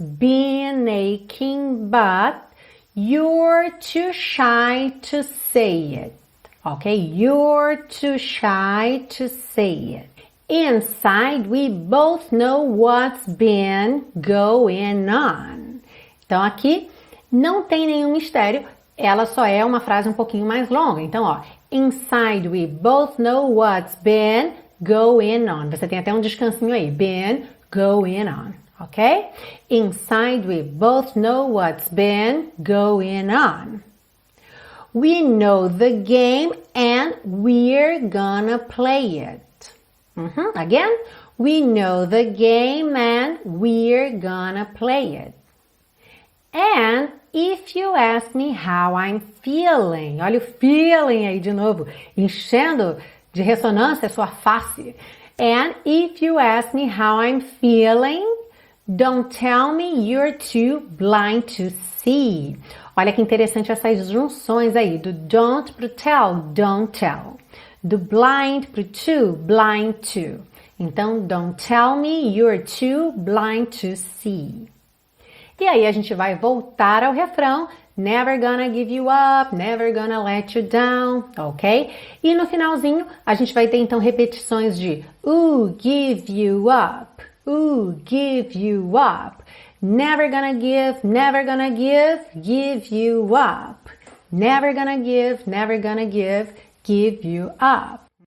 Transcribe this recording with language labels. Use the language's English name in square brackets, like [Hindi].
[English] Your heart's been aching, but you're too shy to say it. Okay, you're too shy to say it. Inside, we both know what's been going on. [Portuguese] Então aqui não tem nenhum mistério, ela só é uma frase um pouquinho mais longa. Então, ó, [English] inside, we both know what's been going on. [Portuguese] Você tem até um descansinho aí. [English] Been going on. Ok? Inside, we both know what's been going on. We know the game and we're gonna play it. Uh-huh. Again. We know the game and we're gonna play it. And if you ask me how I'm feeling, [Portuguese] olha o feeling aí de novo, enchendo de ressonância a sua face. [English] And if you ask me how I'm feeling, don't tell me you're too blind to see. [Portuguese] Olha que interessante essas junções aí, do don't pro tell, [English] don't tell. Do blind pro to, blind to. [Portuguese] Então, [English] don't tell me you're too blind to see. [Portuguese] E aí a gente vai voltar ao refrão, [English] never gonna give you up, never gonna let you down, ok? [Portuguese] E no finalzinho, a gente vai ter então repetições de [English] ooh, give you up, [Portuguese] ooh, give you up. [English] Never gonna give, never gonna give, give you up. Never gonna give, never gonna give, give you up.